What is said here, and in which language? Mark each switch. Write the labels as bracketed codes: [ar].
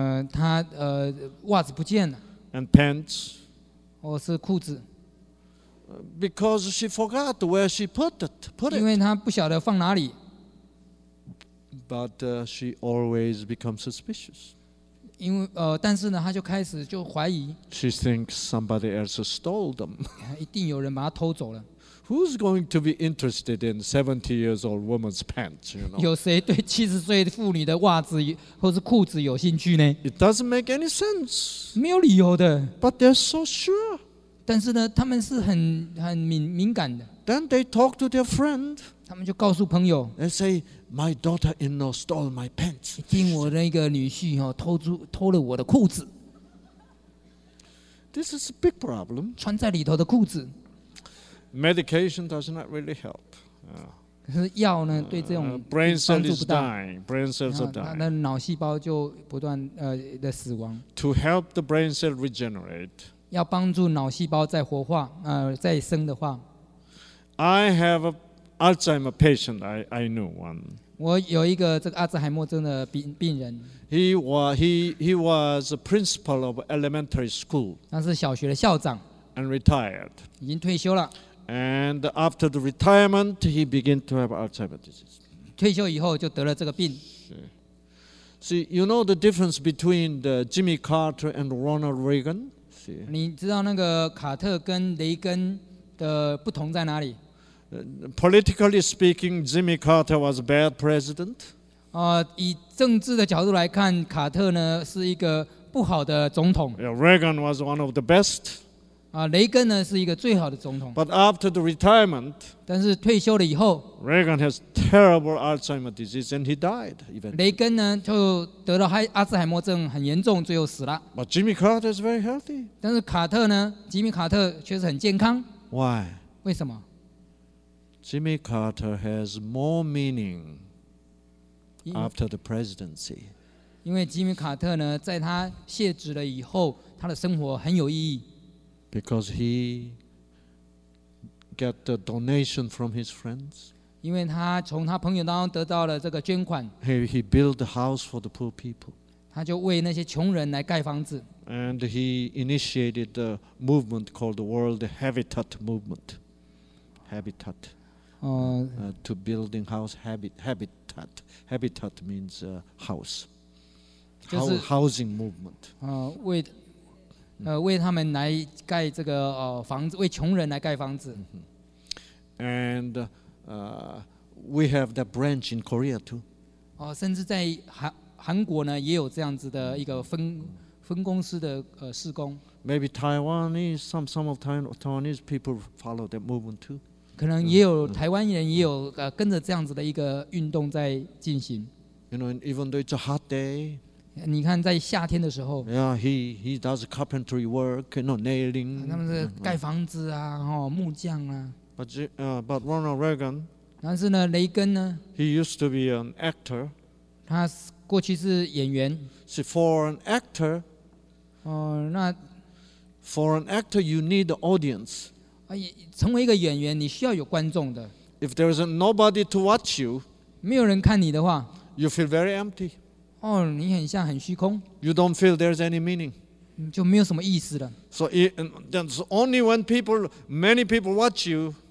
[zh] 她袜子不见了。 [en] And pants. [zh] 或是裤子。 [en] Because she forgot where she put it. [zh] 因为她不晓得放哪里。 [en] But she always becomes suspicious. [zh] 因为但是呢，她就开始就怀疑。 [en] She thinks somebody else stole them. [zh] 一定有人把她偷走了。 [en] Who's going to be interested in 70 years old woman's pants, you know? [zh] 有谁对七十岁妇女的袜子或是裤子有兴趣呢？ [en] It doesn't make any sense. [zh] 没有理由的。 [en] But they're so sure. [zh] 但是呢，他们是很敏感的。 [en] Then they talk to their friend. [zh] 他们就告诉朋友。 [en] They say, my daughter-in-law stole my pants. [zh] 一定我那个女婿哦，偷了我的裤子。 [en] This is a big problem. [zh] 穿在里头的裤子。 [en] Medication does not really help. [zh] 可是药呢，对这种帮助不大。 [en] Brain cells dying. Brain cells are dying. [zh] 那脑细胞就不断的死亡。 [en] To help the brain cell regenerate. [zh] 要帮助脑细胞再活化，再生的话。 [en] I have an Alzheimer patient. I knew one. [zh] 我有一个这个阿兹海默症的病人。 [en] He was a principal of elementary school. [zh] 他是小学的校长。 [en] And retired. [zh] 已经退休了。 [en] And after the retirement, he began to have Alzheimer's disease. [zh] 退休以后就得了这个病。 [en] See, you know the difference between the Jimmy Carter and Ronald Reagan? See, [zh] 你知道那个卡特跟雷根的不同在哪里？ [en] Politically speaking, Jimmy Carter was a bad president. [zh] 以政治的角度来看，卡特呢是一个不好的总统。 [en] Yeah, Reagan was one of the best. [zh] 雷根呢是一个最好的总统。 [en] But after the retirement, [zh] 但是退休了以后 [en] ，Reagan has terrible Alzheimer's disease and he died. [zh] 雷根呢就得了阿兹海默症，很严重，最后死了。 [en] But Jimmy Carter is very healthy. [zh] 但是卡特呢，吉米卡特却是很健康。 [en] Why? [zh] 为什么 [en] ？Jimmy Carter has more meaning after the presidency. [zh] 因为吉米卡特呢，在他卸职了以后，他的生活很有意义。 [en] Because he got a donation from his friends. [zh] 因为他从他朋友当中得到了这个捐款。 [en] He built a house for the poor people. [zh] 他就为那些穷人来盖房子。 [en] And he initiated a movement called the World Habitat Movement. Habitat. To building house habitat. Habitat means house. Housing movement. [zh] 为他们来盖这个房子，为穷人来盖房子。 [en] And we have that branch in Korea too. [zh] 甚至在韩国呢，也有这样子的一个分公司的事工。 [en] Maybe Taiwanese some of Taiwanese people follow that movement too. [zh] 可能也有台湾人也有跟着这样子的一个运动在进行。 [en] You know, even though it's a hot day. [zh] 你看，在夏天的时候 [en] ，Yeah, he does carpentry work, no nailing. [zh] 他们是盖房子啊，木匠啊。 [en] But Ronald Reagan. [zh] 但是呢，雷根呢 [en] ？He used to be an actor. [zh] 他过去是演员。 [en] See, for an actor. [zh] 那 [en] ，for an actor, you need the audience. [zh] 成为一个演员，你需要有观众的。 [en] If there is nobody to watch you, [zh] 没有人看你的话 [en] ，you feel very empty. [zh] 你很像很虚空。 [en] You don't feel there's any meaning. [zh] 就没有什么意思了。 [en] So that's only when many people watch you.